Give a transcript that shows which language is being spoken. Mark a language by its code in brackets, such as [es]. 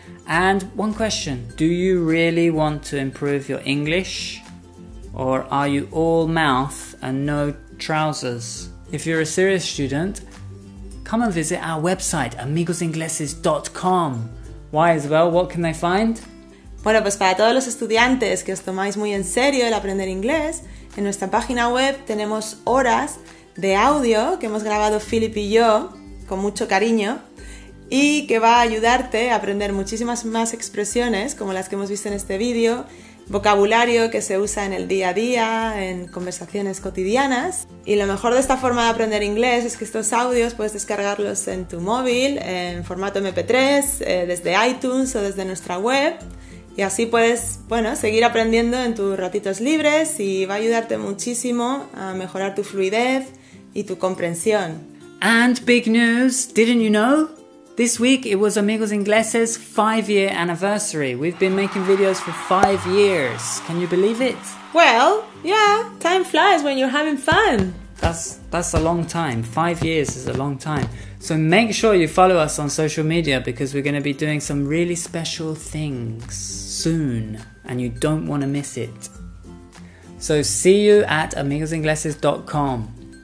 [en] And one question, do you really want to improve your English? Or are you all mouth and no trousers? If you're a serious student, come and visit our website, amigosingleses.com. Why, Isabel? What can they find? [es] Bueno, pues para todos los estudiantes que os tomáis muy en serio el aprender inglés, en nuestra página web tenemos horas de audio que hemos grabado Philip y yo con mucho cariño y que va a ayudarte a aprender muchísimas más expresiones como las que hemos visto en este vídeo, vocabulario que se usa en el día a día, en conversaciones cotidianas. Y lo mejor de esta forma de aprender inglés es que estos audios puedes descargarlos en tu móvil, en formato MP3, desde iTunes o desde nuestra web. Y así puedes, bueno, seguir aprendiendo en tus ratitos libres y va a ayudarte muchísimo a mejorar tu fluidez y tu comprensión. [en] And big news, didn't you know? This week it was Amigos Ingleses' 5-year anniversary. We've been making videos for 5 years. Can you believe it? Well, yeah, time flies when you're having fun. That's a long time. 5 years is a long time. So make sure you follow us on social media because we're going to be doing some really special things soon and you don't want to miss it. So see you at amigosingleses.com.